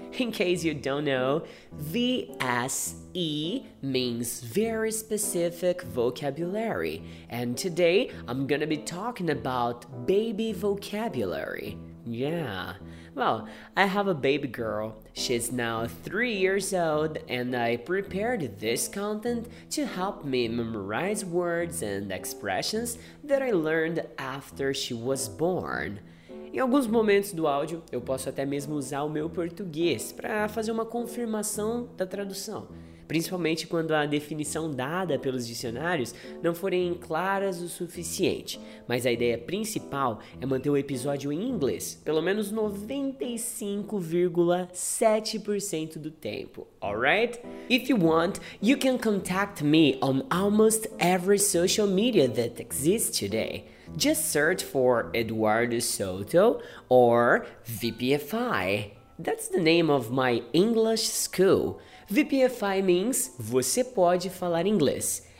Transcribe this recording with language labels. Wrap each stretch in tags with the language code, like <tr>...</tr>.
<en>In case you don't know, VSE means very specific vocabulary, and today I'm gonna be talking about baby vocabulary. Yeah. Well, I have a baby girl. She's now 3 years old, and I prepared this content to help me memorize words and expressions that I learned after she was born.</en> <pt>Em alguns momentos do áudio, eu posso até mesmo usar o meu português para fazer uma confirmação da tradução, principalmente quando a definição dada pelos dicionários não forem claras o suficiente. Mas a ideia principal é manter o episódio em inglês, pelo menos 95,7% do tempo, alright?</pt> <en>If you want, you can contact me on almost every social media that exists today. Just search for Eduardo Soto or VPFI. That's the name of my English school. VPFI means Você Pode Falar Inglês.</en>